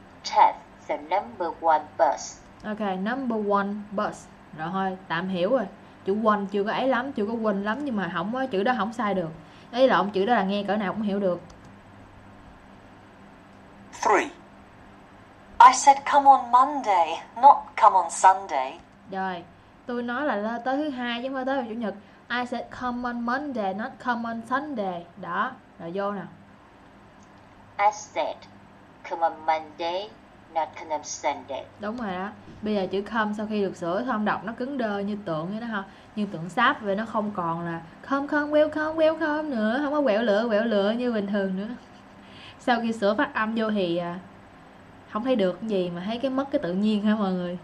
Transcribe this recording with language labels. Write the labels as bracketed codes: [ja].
[en] Take the number one bus. [vi] Ok, [en] number one bus. [vi] Rồi thôi, tạm hiểu rồi. Chữ one chưa có ấy lắm, chưa có win lắm. Nhưng mà không có, chữ đó không sai được. Ý lộn, chữ đó là nghe cỡ nào cũng hiểu được. [en] Three. I said come on Monday, not come on Sunday. [vi] Rồi, tôi nói là tới thứ hai chứ không phải tới vào chủ nhật. [en] I said come on Monday, not come on Sunday. [vi] Đó, rồi vô nào. [en] I said come on Monday, not come on Sunday. [vi] Đúng rồi đó. Bây giờ chữ come sau khi được sửa không đọc nó cứng đơ như tượng vậy đó ha. Như tượng sáp vậy nó không còn là [en] come come welcome welcome [vi] nữa. Không có quẹo lửa như bình thường nữa. Sau khi sửa phát âm vô thì không thấy được gì mà thấy cái mất cái tự nhiên hả mọi người.